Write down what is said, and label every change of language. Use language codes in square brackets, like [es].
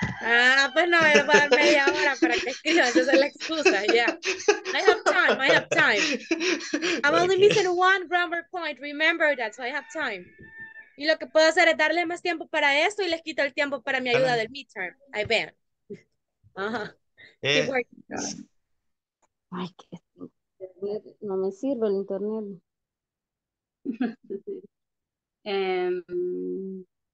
[es] Ah, pues no, voy a dar media hora para que escriban. Esa es la excusa, ya. [en] I have time. I'm only missing one grammar point, remember that, so I have time. [es] Y lo que puedo hacer es darle más tiempo para esto y les quito el tiempo para mi ayuda del midterm. [en] I bet. Ajá. Keep working. [es] Ay, qué no me sirve el internet.